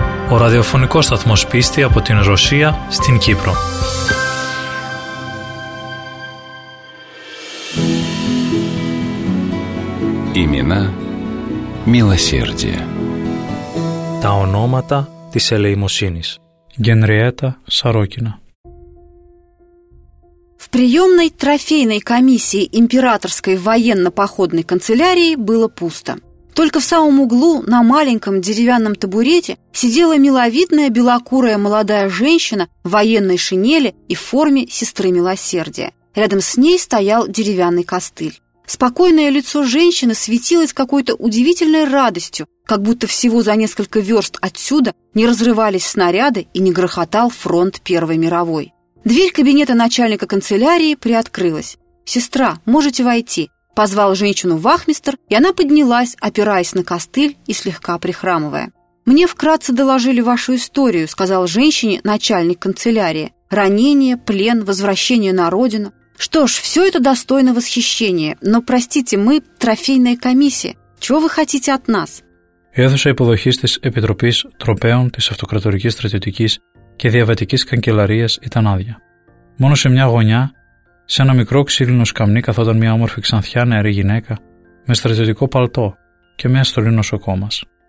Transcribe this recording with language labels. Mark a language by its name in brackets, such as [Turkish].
[Greek] Ο ραδιοφωνικός σταθμός πίστη από την Ρωσία στην Κύπρο. [Russian] Имена милосердия. [Greek] Τα ονόματα της ελεημοσύνης. Γενριέτα Σαρόκινα. [Russian] В приемной трофейной комиссии императорской военно-походной канцелярии было пусто. Только в самом углу, на маленьком деревянном табурете, сидела миловидная белокурая молодая женщина в военной шинели и в форме сестры милосердия. Рядом с ней стоял деревянный костыль. Спокойное лицо женщины светилось какой-то удивительной радостью, как будто всего за несколько верст отсюда не разрывались снаряды и не грохотал фронт Первой мировой. Дверь кабинета начальника канцелярии приоткрылась. «Сестра, можете войти», — Позвал женщину вахмистр, и она поднялась, опираясь на костыль и слегка прихрамывая. «Мне вкратце доложили вашу историю», — сказал женщине начальник канцелярии. «Ранение, плен, возвращение на родину. Что ж, все это достойно восхищения, но, простите, мы трофейная комиссия. Чего вы хотите от нас?» [Greek] Αίθουσα υποδοχής της Επιτροπής Τροπέων της Αυτοκρατορικής Στρατιωτικής και Διαβατικής Καγκελαρίας ήταν άδεια. Μόνο σε μια γωνιά, σε ένα μικρό ξύλινο σκαμνί καθόταν μια όμορφη ξανθιά νεαρή γυναίκα με στρατιωτικό παλτό και μια στολή νοσοκόμας.